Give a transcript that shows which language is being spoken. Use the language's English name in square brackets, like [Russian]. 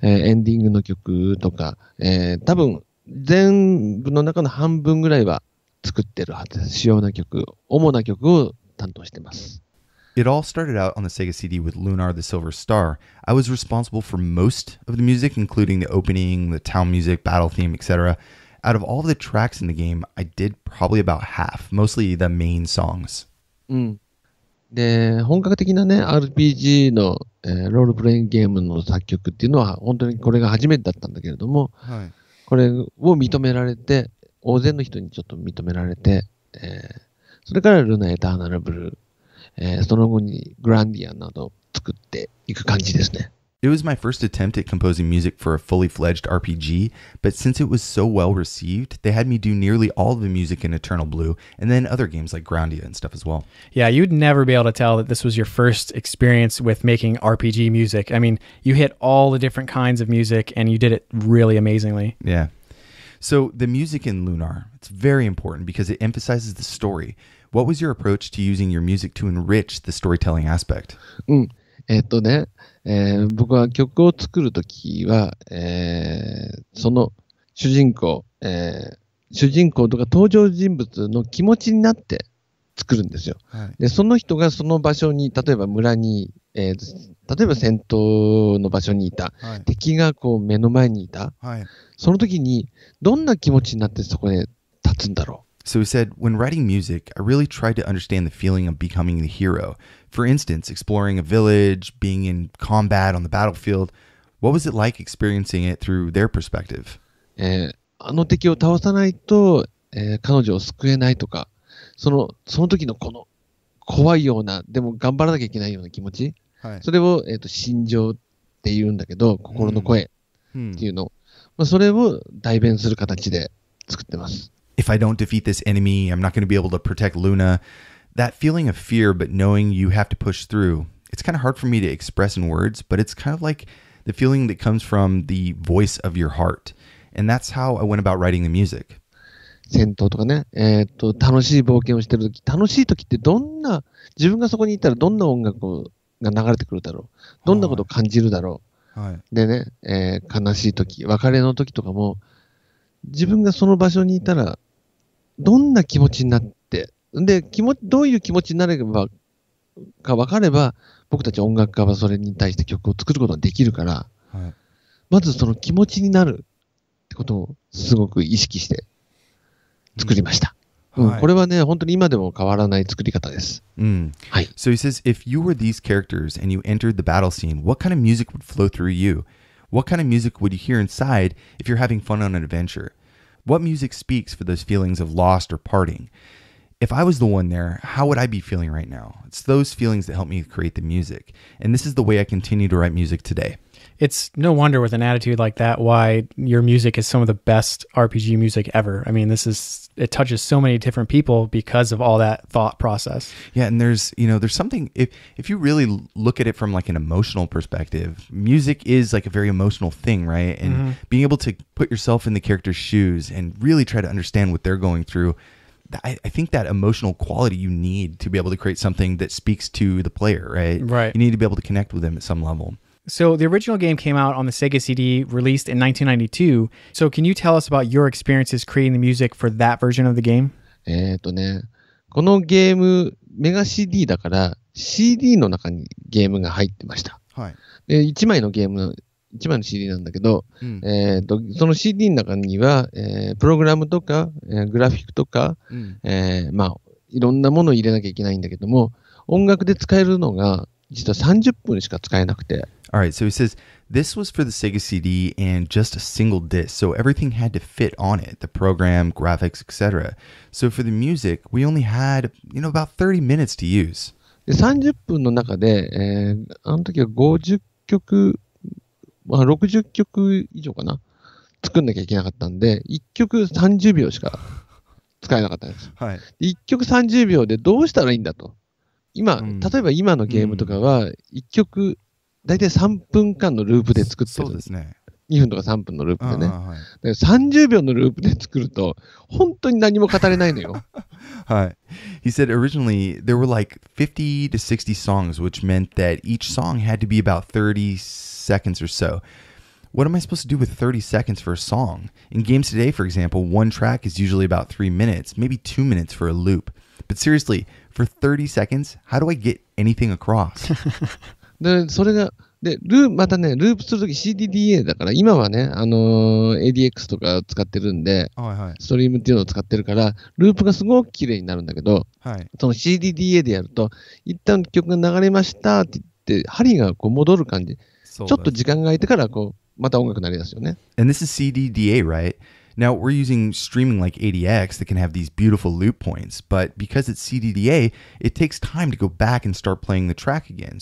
[Japanese] エンディングの曲とか、多分全部の中の半分ぐらいは作ってるはずです。主要な曲、主な曲を担当してます。 [English] It all started out on the Sega CD with Lunar the Silver Star. I was responsible for most of the music, including the opening, the town music, battle theme, etc. Out of all the tracks in the game, I did probably about half, mostly the main songs. [Japanese] うん。で、本格的なね、RPG の、ロールプレインゲームの作曲っていうのは、本当にこれが初めてだったんだけれども、はい、これを認められて、大勢の人にちょっと認められて、それからルナ・エターナルブルー、その後にグランディアなど作っていく感じですね。 [English] It was my first attempt at composing music for a fully fledged RPG, but since it was so well received, they had me do nearly all of the music in Eternal Blue, and then other games like Groundia and stuff as well. Yeah, you'd never be able to tell that this was your first experience with making RPG music. I mean, you hit all the different kinds of music, and you did it really amazingly. Yeah. So the music in Lunar, it's very important because it emphasizes the story. What was your approach to using your music to enrich the storytelling aspect? [Japanese] ね。僕は曲を作るときは、その主人公、主人公とか登場人物の気持ちになって作るんですよ。はい、でその人がその場所に、例えば村に、例えば戦闘の場所にいた、はい、敵がこう目の前にいた、はい、その時にどんな気持ちになってそこで立つんだろう。 [English] So he said, when writing music, I really tried to understand the feeling of becoming the hero. For instance, exploring a village, being in combat on the battlefield. What was it like experiencing it through their perspective? [Japanese] あの敵を倒さないと、彼女を救えないとか、その時のこの怖いような、でも頑張らなきゃいけないような気持ち、はい、それを、心情って言うんだけど、心の声っていうの、まあ、それを代弁する形で作ってます。 [English] If I don't defeat this enemy, I'm not going to be able to protect Luna. That feeling of fear, but knowing you have to push through, it's kind of hard for me to express in words, but it's kind of like the feeling that comes from the voice of your heart. And that's how I went about writing the music. [Japanese] 戦闘とかね、楽しい冒険をしてるとき、楽しいときってどんな、自分がそこにいたらどんな音楽が流れてくるだろう、どんなことを感じるだろう。はい、でね、悲しいとき、別れのときとかも、自分がその場所にいたらどんな気持ちになってで気持ちどういう気持ちになればか分かれば僕たち音楽家はそれに対して曲を作ることができるから、はい、まずその気持ちになるってことをすごく意識して作りました。うんはい、これはね本当に今でも変わらない作り方です。うん、はい。 [English] So he says, if you were these characters and you entered the battle scene, what kind of music would flow through you? What kind of music would you hear inside if you're having fun on an adventure? What music speaks for those feelings of lost or parting? If I was the one there, how would I be feeling right now? It's those feelings that help me create the music. And this is the way I continue to write music today. It's no wonder with an attitude like that why your music is some of the best RPG music ever. I mean, this is, it touches so many different people because of all that thought process. Yeah, and there's, you know, there's something, if you really look at it from like an emotional perspective, music is like a very emotional thing, right? And mm-hmm. being able to put yourself in the character's shoes and really try to understand what they're going through,I think that emotional quality you need to be able to create something that speaks to the player, right? Right. You need to be able to connect with them at some level. So the original game came out on the Sega CD, released in 1992. So can you tell us about your experiences creating the music for that version of the game? [Japanese] このゲーム、メガ CD だから CD の中にゲームが入ってました。はい。で、1枚のゲーム、一枚の CD なんだけど、うん、その CD の中には、プログラムとか、グラフィックとか、うんまあ、いろんなものを入れなきゃいけないんだけども、音楽で使えるのが実は30分しか使えなくて。 [English] Alright, so he says, this was for the Sega CD and just a single disc, so everything had to fit on it, the program, graphics, etc. So for the music, we only had, you know, about 30 minutes to use. [Japanese] で30分の中で、あの時は50曲、まあ、60曲以上かな作んなきゃいけなかったんで1曲30秒しか使えなかったんです、はい、で1曲30秒でどうしたらいいんだと今、うん、例えば今のゲームとかは1曲大体3分間のループで作ってる、そうですね、 2分とか3分のループでね、はい、で30秒のループで作ると本当に何も語れないのよはい。 [English] He said originally there were like 50 to 60 songs which meant that each song had to be about 30 seconds or so. What am I supposed to do with 30 seconds for a song? In games today, for example, one track is usually about 3 minutes, maybe 2 minutes for a loop. But seriously, for 30 seconds, how do I get anything across? [Japanese] で、それが、で、ループ、またね、ループするとき CDDA だから、今はね、ADX とか使ってるんで、はいはい、ストリームっていうのを使ってるから、ループがすごく綺麗になるんだけど、はい、その CDDA でやると、一旦曲が流れましたって言って、針がこう戻る感じ。ちょっと時間が空いてからこうまた音楽になりますよね。 [English] And this is CDDA, right? Now we're using streaming like ADX that can have these beautiful loop points, but because it's CDDA, it takes time to go back and start playing the track again.